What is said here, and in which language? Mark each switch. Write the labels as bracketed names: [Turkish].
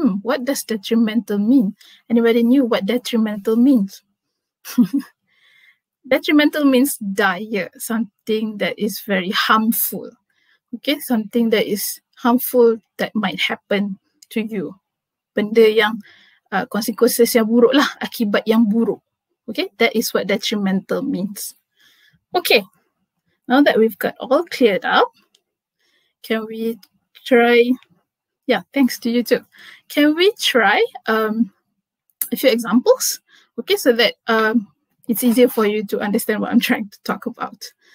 [English] What does detrimental mean? Anybody knew what detrimental means? Detrimental means dire, something that is very harmful. Okay, something that is harmful that might happen to you. [Malay] Benda yang konsekuensi yang buruk lah, akibat yang buruk. [English] Okay, that is what detrimental means. Okay, now that we've got all cleared up, can we try, yeah, thanks to you too. Can we try a few examples? Okay, so that it's easier for you to understand what I'm trying to talk about.